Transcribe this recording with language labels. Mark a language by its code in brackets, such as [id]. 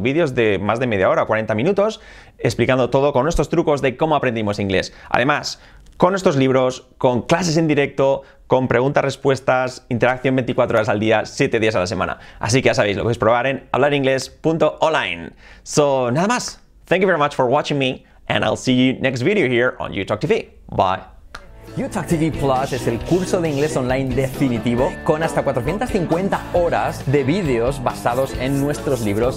[es] Vídeos de más de media hora, 40 minutos, explicando todo con nuestros trucos de cómo aprendimos inglés. Además, con nuestros libros, con clases en directo, con preguntas-respuestas, interacción 24 horas al día, 7 días a la semana. Así que ya sabéis, lo podéis probar en hablaringles.online. So, nada más. [en] Thank you very much for watching me, and I'll see you next video here on YouTalk TV. Bye. [es] YouTalk TV Plus es el curso de inglés online definitivo con hasta 450 horas de vídeos basados en nuestros libros.